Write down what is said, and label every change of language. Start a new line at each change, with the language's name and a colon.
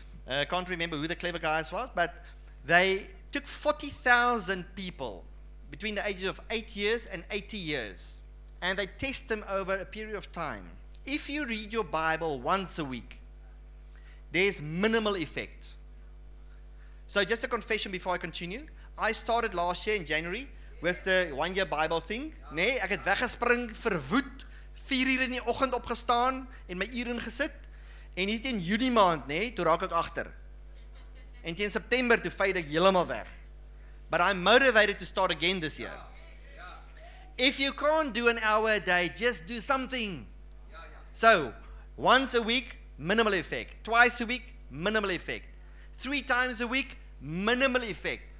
English: Can't remember who the clever guys was, but they took 40,000 people between the ages of 8 years and 80 years, and they test them over a period of time. If you read your Bible once a week, there's minimal effect. So just a confession before I continue. I started last year in January with the 1 year Bible thing.
Afrikaans: Nee, ek het weggespring, verwoed, 4 uur in die oggend opgestaan en my uur ingesit. En dit in Junie maand, nee, toe raak ek agter. En teen September toe vyde ek heeltemal weg.
English: But I'm motivated to start again this year. If you can't do an hour a day, just do something. So, once a week, minimal effect. Twice a week, minimal effect. 3 times a week, minimal effect.